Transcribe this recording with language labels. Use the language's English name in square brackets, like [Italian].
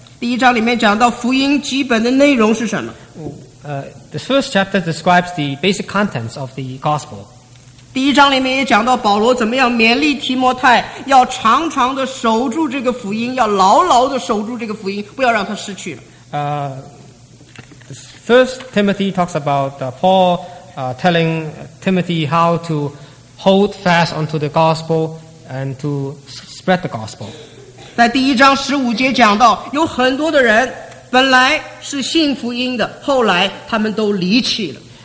[Chinese] 第一章里面讲到福音基本的内容是什么？ [English] The first chapter describes the basic contents of the gospel. [Chinese] 第一章里面也讲到保罗怎么样勉励提摩太，要常常的守住这个福音，要牢牢的守住这个福音，不要让它失去了。 [English] First Timothy talks about Paul telling Timothy how to hold fast onto the gospel and to spread the gospel. [Chinese] 在第一章十五节讲到有很多的人本来是信福音的，后来他们都离弃了。